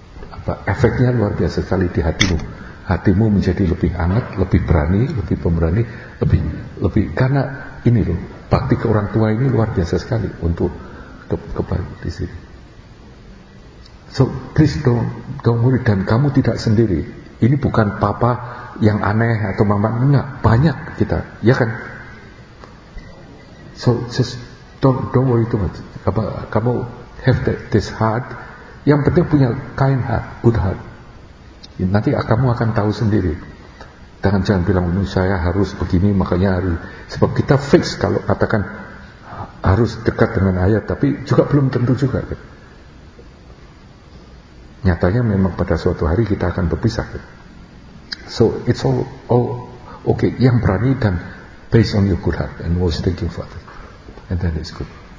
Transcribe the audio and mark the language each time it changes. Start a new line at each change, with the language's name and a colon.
Indonesian: Apa efeknya luar biasa sekali di hatimu. Hatimu menjadi lebih hangat, lebih berani, lebih pemberani, lebih karena ini loh, bakti ke orang tua ini luar biasa sekali untuk kebaikan di sini.
English: So please don't worry,
Indonesian: dan kamu tidak sendiri. Ini bukan papa yang aneh atau mama, enggak, banyak kita, ya kan?
English: So just don't worry too much.
Indonesian: Apa, kamu
English: have this heart,
Indonesian: yang penting punya
English: kind heart, good heart.
Indonesian: Nanti kamu akan tahu sendiri. Jangan bilang saya harus begini, makanya hari. Sebab kita fix kalau katakan harus dekat dengan ayat, tapi juga belum tentu juga. Nyatanya memang pada suatu hari kita akan berpisah.
English: So it's all okay.
Indonesian: Yang berani dan
English: based on your good heart and what's thinking for that, and then it's good.